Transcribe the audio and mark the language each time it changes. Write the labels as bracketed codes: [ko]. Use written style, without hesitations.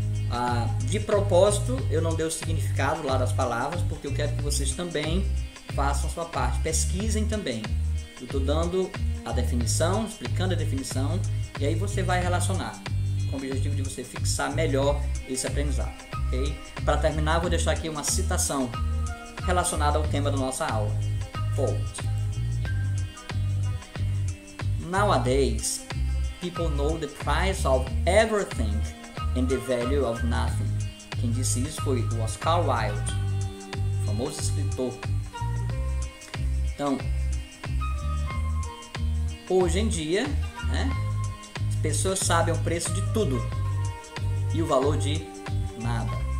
[pt] Ah, de propósito, eu não dei o significado lá das palavras, porque eu quero que vocês também façam a sua parte, pesquisem também. Eu estou dando a definição, explicando a definição, e aí você vai relacionar, com o objetivo de você fixar melhor esse aprendizado. Okay? Para terminar, vou deixar aqui uma citação relacionada ao tema da nossa aula. [en] Quote: "Nowadays, people know the price of everything and the value of nothing." [pt] Quem disse isso foi o Oscar Wilde, famoso escritor. Então, hoje em dia, né, as pessoas sabem o preço de tudo e o valor de nada.